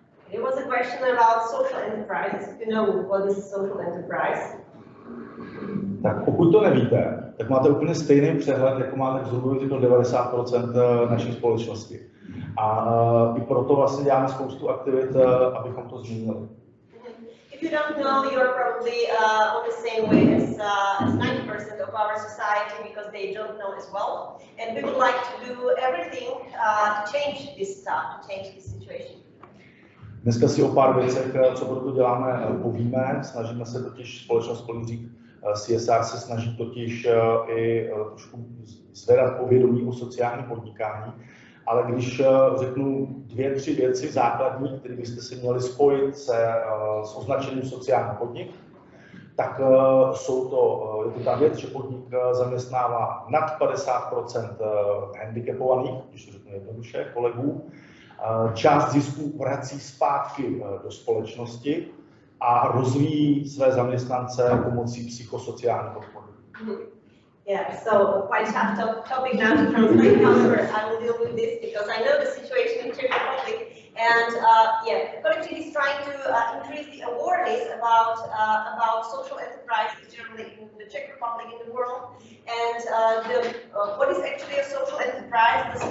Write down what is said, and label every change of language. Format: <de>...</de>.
<en>It was a question about social enterprise. You know what is social enterprise?</en> <cs>Tak pokud to nevíte, tak máte úplně stejný přehled, jako máte v zhruba 90% naší společnosti. A i proto vlastně děláme spoustu aktivit, abychom to změnili.</cs> <en>If you don't know, you're probably on the same way as 90% of our society because they don't know as well. And we would like to do everything to change this stuff, to change this situation.</en> <cs>Dneska si o pár věcech, co proto děláme, povíme. Snažíme se totiž, společnost Kolibřík CSR se snaží totiž i trošku zvedat povědomí o sociálním podnikání. Ale když řeknu dvě, tři věci základní, které byste si měli spojit s označením sociální podnik, tak jsou to, je to ta věc, že podnik zaměstnává nad 50% handicapovaných, když to řeknu jednoduše, kolegů. Část zisku vrací zpátky do společnosti a rozvíjí své zaměstnance pomocí psychosociální podpory.</cs> <en>Yeah, so quite tough topic now to translate number. I will deal with this because I know the situation in Czech Republic. And Kolibřík is trying to increase the awareness about social enterprises generally in the Czech Republic in the world. And what is actually a social enterprise?</en>